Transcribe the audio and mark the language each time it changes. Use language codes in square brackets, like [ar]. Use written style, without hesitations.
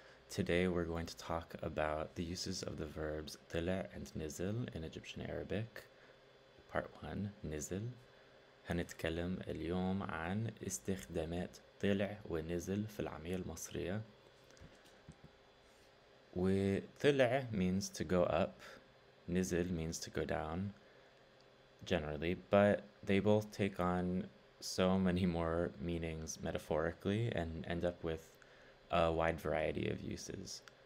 [en] Today we're going to talk about the uses of the verbs tila and nizil in Egyptian Arabic. Part 1, nizil. [ar] هنتكلم اليوم عن استخدامات طلع ونزل في العامية المصرية. [en] وطلع means to go up. نزل means to go down generally, but they both take on so many more meanings metaphorically and end up with a wide variety of uses.